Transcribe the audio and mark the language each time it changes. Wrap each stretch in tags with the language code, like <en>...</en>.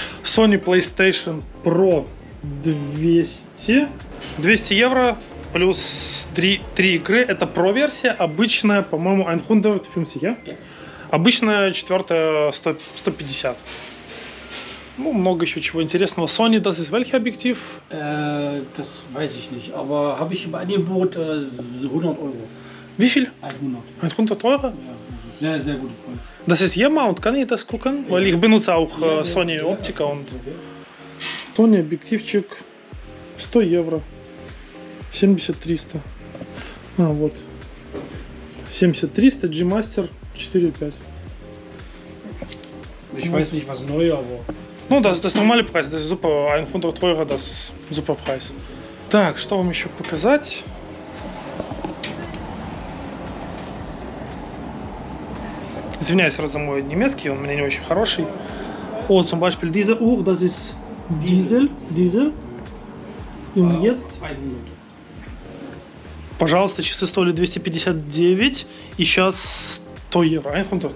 <ru>Sony PlayStation Pro 200. 200 евро. Плюс 3 игры. Это Pro-версия. Обычная, по-моему, 150, да? Обычная четвертая 150. Ну, много еще чего интересного.</ru> <de>Sony, das ist welcher</de> <ru>объектив?</ru> <de>Das weiß ich nicht. Aber habe ich im Angebot 100 euro. Wie viel? 100. 100 euro? Ja, sehr, sehr gut. Das ist E-Mount, kann ich das gucken? Weil ich benutze auch Sony Optica. Und...</de> <ru>Sony объективчик 100 евро. 70-300. А, вот. 70-300, G-Master 4-5.</ru> <de>Ich weiß nicht, was neu, aber...</de> <ru>Ну,</ru> <de>das</de> <ru>нормальный прайс,</ru> <de>das super, 100 euro, das super</de> <ru>прайс. Так, что вам еще показать? Извиняюсь раз за мой немецкий, он у меня не очень хороший.</ru> <de>О, zum Beispiel diese Uhr, das ist Diesel. Diesel. Und jetzt...</de> <ru>Пожалуйста, часы стоили 259, и сейчас 100 евро.</ru>